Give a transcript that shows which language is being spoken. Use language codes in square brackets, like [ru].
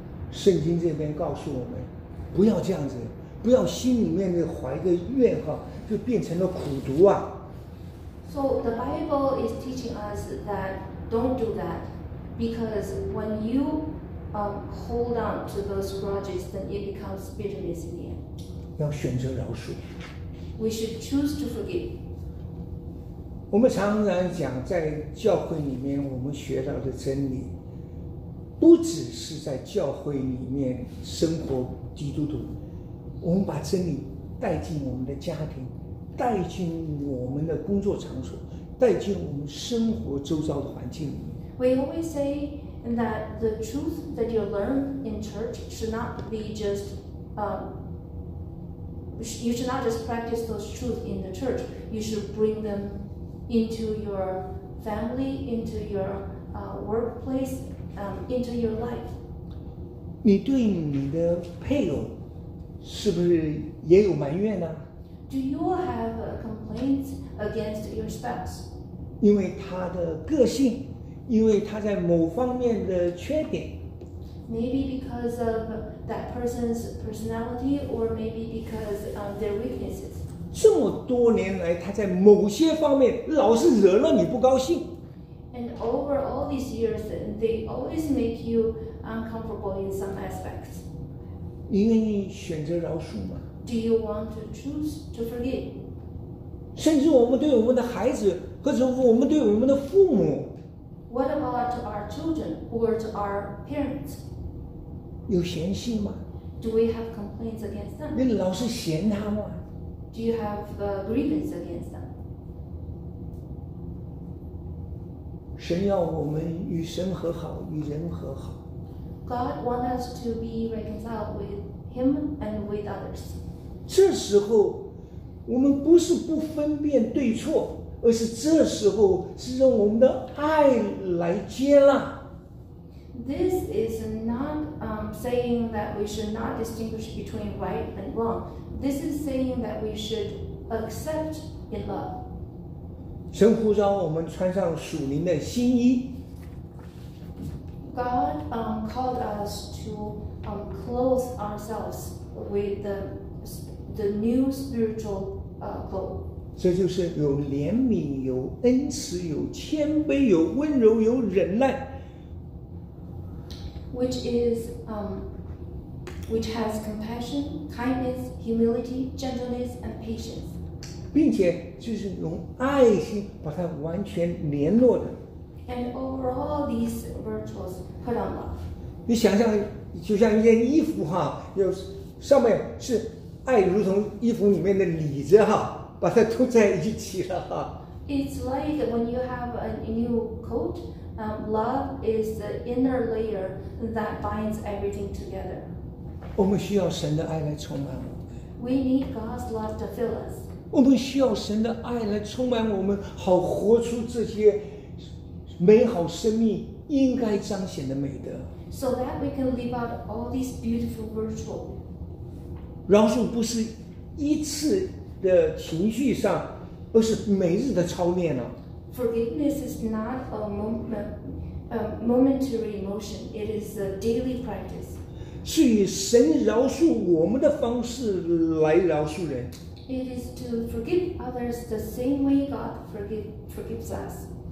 [zh] 圣经这边告诉我们，不要这样子，不要心里面的怀个怨哈，就变成了苦读啊。 [en] So the Bible is teaching us that don't do that. Because when you hold on to those grudges, then it becomes bitterness in the end. [zh] 要选择饶恕。 [en] We should choose to forgive. [zh] 我们常常讲，在教会里面我们学到的真理，不只是在教会里面生活基督徒，我们把真理带进我们的家庭，带进我们的工作场所，带进我们生活周遭的环境里面。 [en] We always say that the truth that you learn in church should not be just, you should not just practice those truths in the church. You should bring them into your family, into your workplace, into your life. [zh] 你对你的配偶是不是也有埋怨呢？ [en] Do you have a complaint against your spouse? [zh] 因为他的个性，因为他在某方面的缺点。 [en] Maybe because of that person's personality, or maybe because of their weaknesses. [zh] 这么多年来，他在某些方面老是惹了你不高兴。 [en] And over all these years, they always make you uncomfortable in some aspects. [zh] 你愿意选择饶恕吗？ [en] Do you want to choose to forgive? [zh] 甚至我们对我们的孩子，或者我们对我们的父母。 [en] What about our children or to our parents? [zh] 有嫌隙吗？ [en] Do we have complaints against them? [zh] 你老是嫌他吗？ [en] Do you have a grievance against them? [zh] 神要我们与神和好，与人和好。 [en] God wants us to be reconciled with Him and with others. [zh] 这时候我们不是不分辨对错，而是这时候是用我们的爱来接纳。 [en] This is not saying that we should not distinguish between right and wrong. This is saying that we should accept in love. [zh] 神呼召我们穿上属灵的新衣。 [en] God called us to clothe ourselves with the new spiritual code. [zh] 这就是有怜悯，有恩慈，有谦卑，有温柔，有忍耐。 [en] Which is, which has compassion, kindness, humility, gentleness, and patience. [zh] 并且就是用爱心把它完全联络的。 [en] And over all these virtues, put on love. [zh] 你想象就像一件衣服哈，有上面是。爱如同衣服里面的里子哈，把它涂在一起了哈。 [en] It's like when you have a new coat, love is the inner layer that binds everything together. [zh] 我们需要神的爱来充满我们。 [en] We need God's love to fill us. [zh] 我们需要神的爱来充满我们，好活出这些美好生命应该彰显的美德。 [en] So that we can live out all these beautiful virtues. [zh] 饶恕不是一次的情绪上，而是每日的操练了。 [en] Forgiveness is not a moment, a momentary emotion. It is a daily practice. [zh] 是以神饶恕我们的方式来饶恕人。 [en] It is to forgive others the same way God forgives us.